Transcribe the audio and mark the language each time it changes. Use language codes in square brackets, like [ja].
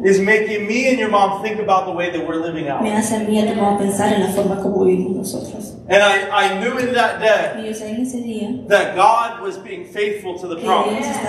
[en] is making me and your mom think about the way that we're living out. [es] Me hace a mí y a tu mamá pensar en la forma como vivimos nosotros. [en] And I knew in that day, [es] y yo sé en ese día, [en] that God was being faithful to the promise.